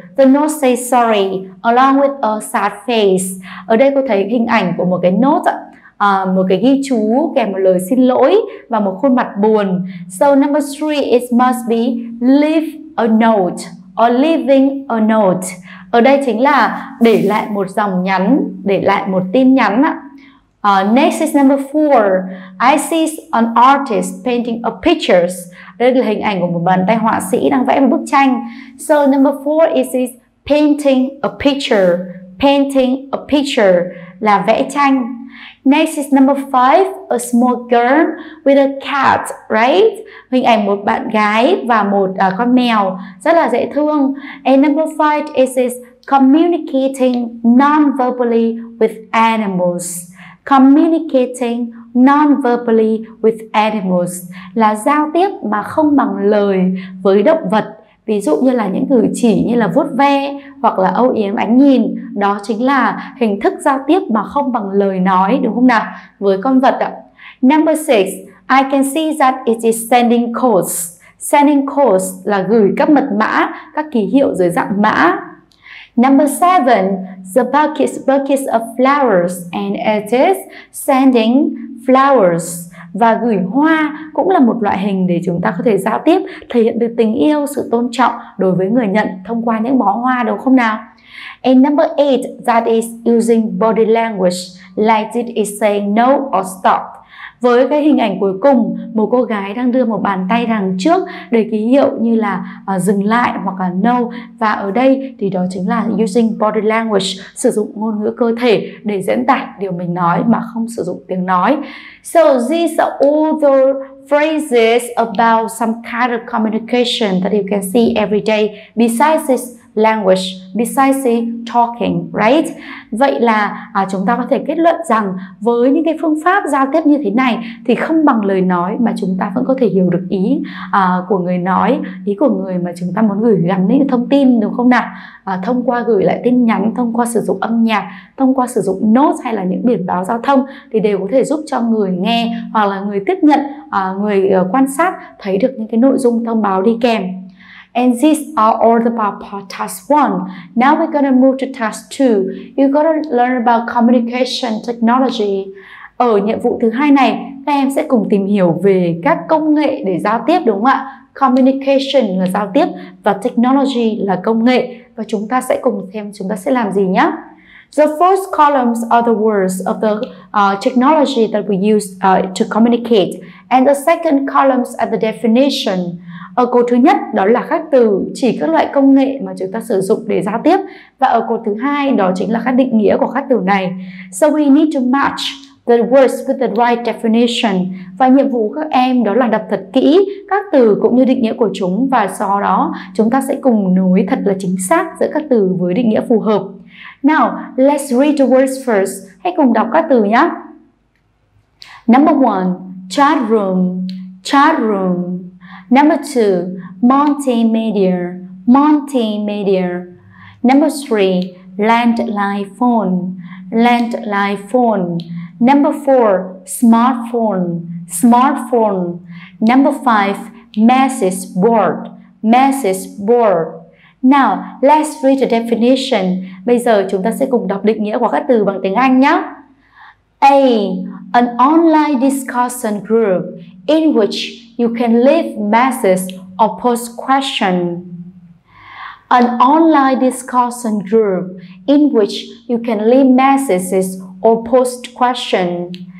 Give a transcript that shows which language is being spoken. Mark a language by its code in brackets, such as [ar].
[en] The note says sorry, along with a sad face. [vi] Ở đây cô thấy hình ảnh của một cái note, một cái ghi chú kèm một lời xin lỗi và một khuôn mặt buồn. [en] So number three, it must be leave a note or leaving a note. [vi] Ở đây chính là để lại một dòng nhắn, để lại một tin nhắn ạ. [en] Next is number four. I see an artist painting a picture. [vi] Đây là hình ảnh của một bàn tay họa sĩ đang vẽ một bức tranh. [en] So number four is painting a picture. Painting a picture [vi] là vẽ tranh. [en] Next is number five. A small girl with a cat, right? [vi] Hình ảnh một bạn gái và một con mèo rất là dễ thương. [en] And number five is communicating non-verbally with animals. Communicating non-verbally with animals [vi] là giao tiếp mà không bằng lời với động vật. Ví dụ như là những cử chỉ như là vuốt ve hoặc là âu yếm ánh nhìn. Đó chính là hình thức giao tiếp mà không bằng lời nói, đúng không nào? Với con vật ạ. [en] Number six, I can see that it is sending codes. Sending codes [vi] là gửi các mật mã, các ký hiệu dưới dạng mã. [en] Number seven, the buckets of flowers, and it is sending flowers. [vi] Và gửi hoa cũng là một loại hình để chúng ta có thể giao tiếp, thể hiện được tình yêu, sự tôn trọng đối với người nhận thông qua những bó hoa, đúng không nào? [en] And number 8, that is using body language like it is saying no or stop. [vi] Với cái hình ảnh cuối cùng, một cô gái đang đưa một bàn tay đằng trước để ký hiệu như là dừng lại hoặc là no. Và ở đây thì đó chính là [en] using body language, [vi] sử dụng ngôn ngữ cơ thể để diễn tả điều mình nói mà không sử dụng tiếng nói. [en] So these are all the phrases about some kind of communication that you can see every day besides this language, besides the talking, right? [vi] Vậy là chúng ta có thể kết luận rằng với những cái phương pháp giao tiếp như thế này thì không bằng lời nói mà chúng ta vẫn có thể hiểu được ý của người nói, ý của người mà chúng ta muốn gửi gắm những thông tin, đúng không nào? Thông qua gửi lại tin nhắn, thông qua sử dụng âm nhạc, thông qua sử dụng nốt hay là những biển báo giao thông thì đều có thể giúp cho người nghe hoặc là người tiếp nhận, người quan sát thấy được những cái nội dung thông báo đi kèm. [en] And these are all about task 1. Now we're going to move to task 2. You're going to learn about communication technology. [vi] Ở nhiệm vụ thứ hai này, các em sẽ cùng tìm hiểu về các công nghệ để giao tiếp, đúng không ạ? Communication là giao tiếp và technology là công nghệ. Và chúng ta sẽ cùng xem chúng ta sẽ làm gì nhé. [en] The first columns are the words of the technology that we use to communicate. And the second columns are the definition. [vi] Ở cột thứ nhất đó là các từ, chỉ các loại công nghệ mà chúng ta sử dụng để giao tiếp. Và ở cột thứ hai đó chính là các định nghĩa của các từ này. [en] So we need to match the words with the right definition. [vi] Và nhiệm vụ các em đó là đọc thật kỹ các từ cũng như định nghĩa của chúng. Và sau đó chúng ta sẽ cùng nối thật là chính xác giữa các từ với định nghĩa phù hợp. [en] Now, let's read the words first. [vi] Hãy cùng đọc các từ nhé. [en] Number one, chat room, chat room. Number 2, multimedia, multimedia. Number 3, landline phone, landline phone. Number 4, smartphone, smartphone. Number 5, message board, message board. Now, let's read the definition. [vi] Bây giờ chúng ta sẽ cùng đọc định nghĩa của các từ bằng tiếng Anh nhé. [en] A, an online discussion group in which you can leave messages or post questions. An online discussion group in which you can leave messages or post questions.